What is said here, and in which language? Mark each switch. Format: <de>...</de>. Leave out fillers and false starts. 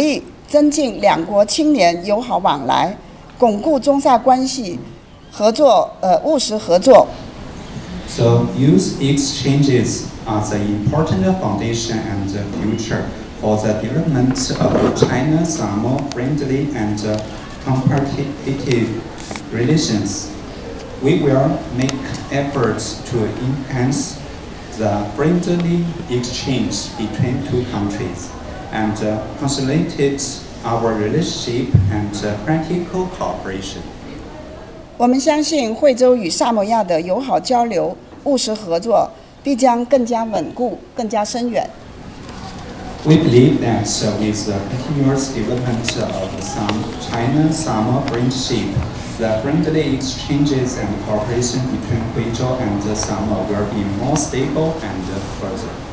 <zh>我们将一如既往地努力增进两国青年友好往来, 巩固中萨关系合作, 务实合作。</zh> <en>So youth exchanges are the important foundation and the future for the development of China's more friendly and competitive relations. We will make efforts to enhance the friendly exchange between two countries and consolidate our relationship and practical cooperation.</en> <zh>我们相信惠州与萨摩亚的友好交流、务实合作必将更加稳固、更加深远。</zh> <en>We believe that with the continuous development of China-Samoa friendship, the friendly exchanges and cooperation between Huizhou and Samoa will be more stable and further.</en>